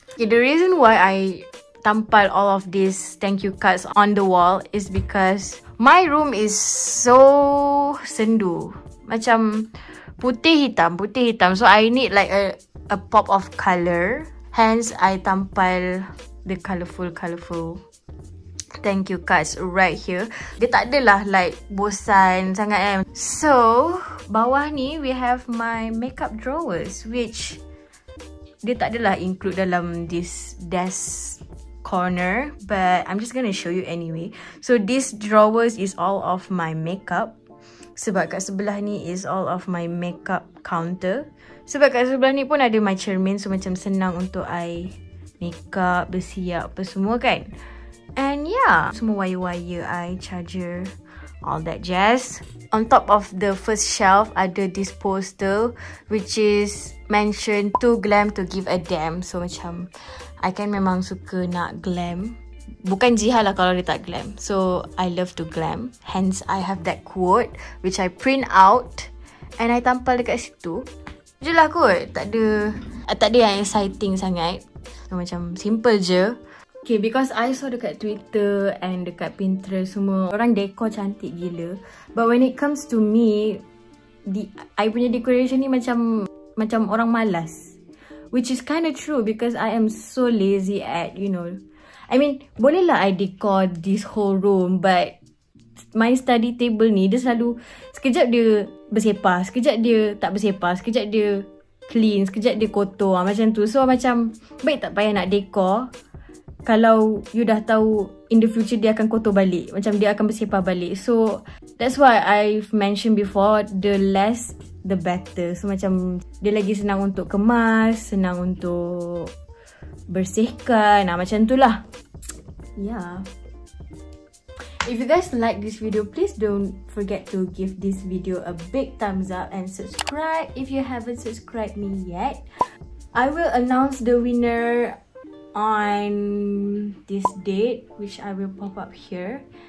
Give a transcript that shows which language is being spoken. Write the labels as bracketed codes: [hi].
[en] Okay, the reason why I tampal all of these thank you cards on the wall is because my room is so sendu. Macam putih hitam. So I need like a pop of color. Hence I tampal the colorful thank you cards right here. [ms] Dia tak adalah like bosan sangat kan. [en] So bawah ni we have my makeup drawers, which dia tak adalah include dalam this desk corner, but I'm just gonna show you anyway. So this drawers is all of my makeup. Sebab kat sebelah ni is all of my makeup counter. [ms] Sebab kat sebelah ni pun ada my cermin, so macam senang untuk I makeup, bersiap apa semua kan. [en] And yeah, semua wire-wire I, charger, all that jazz. On top of the first shelf ada this poster which is mentioned too glam to give a damn. [ms] So macam I kan memang suka nak glam. Bukan Jiha lah kalau dia tak glam. So I love to glam. [en] Hence I have that quote which I print out and I tampal dekat situ. [ms] Je lah kot. Tak ada yang exciting sangat. So macam simple je. Okay, because I saw dekat Twitter and dekat Pinterest semua orang dekor cantik gila. [en] But when it comes to me, I punya decoration ni macam orang malas. Which is kind of true because I am so lazy at, you know. [ms] I mean, bolehlah I decor this whole room, but my study table ni dia selalu sekejap dia bersepah, sekejap dia tak bersepah, sekejap dia clean, sekejap dia kotor, macam tu. So macam baik tak payah nak decor. Kalau you dah tahu in the future dia akan kotor balik. Macam dia akan bersepah balik. [en] So that's why I've mentioned before, the less the better. [ms] So macam dia lagi senang untuk kemas, senang untuk bersihkan. Nah, macam tu lah. Yeah. [en] If you guys like this video, please don't forget to give this video a big thumbs up and subscribe if you haven't subscribed me yet. I will announce the winner on this date, which I will pop up here.